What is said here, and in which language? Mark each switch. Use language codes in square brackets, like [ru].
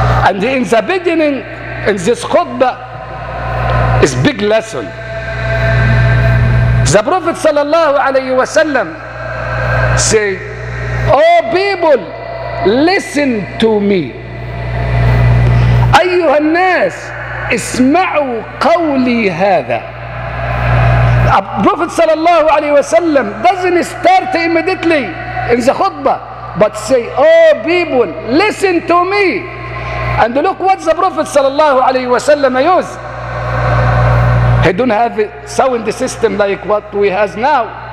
[en] And in the beginning, in this khutbah, is big lesson. The Prophet sallallahu alayhi wa sallam say, oh people, listen to me. [ar] أيها الناس اسمعوا قولي هذا. [en] Prophet sallallahu alayhi wa sallam doesn't start immediately in the khutbah, but say, oh people, listen to me. And look what the Prophet sallallahu alayhi wa sallam use. He don't have a sound system like what we has now.